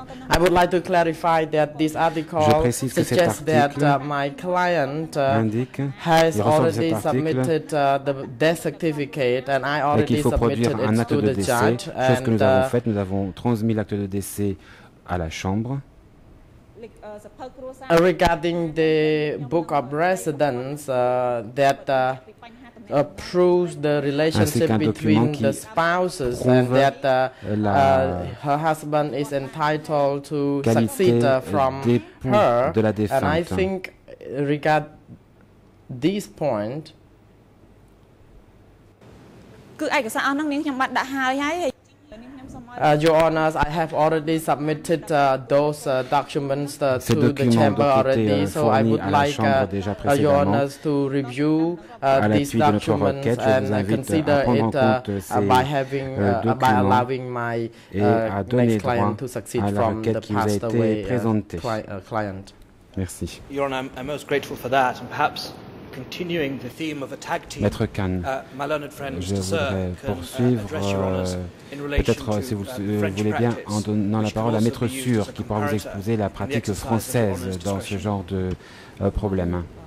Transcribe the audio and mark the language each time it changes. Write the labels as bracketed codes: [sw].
[en] I would like to clarify that this article suggests that my client has already submitted the death certificate and I already submitted it to the judge. [fr] Chose que nous avons fait, nous avons transmis l'acte de décès à la chambre. [en] Regarding the book of residence that proves the relationship between the spouses and that her husband is entitled to succeed from her. [fr] De la défunte. [en] And I think regard this point. Your Honours, I have already submitted those documents to the Chamber already, so I would like Your Honours to review these documents [fr] requête, [en] and consider it by having, by allowing my next client to succeed from the passed away client. [fr] Merci. [en] Your Honour, I'm most grateful for that, and perhaps continuing the theme of a tag team, [fr] Maître Khan, [en] my learned friend, [fr] je voudrais sir, poursuivre, peut-être si vous voulez bien, en donnant la parole à Maître Sûr, qui pourra vous exposer la pratique française dans ce genre de problème.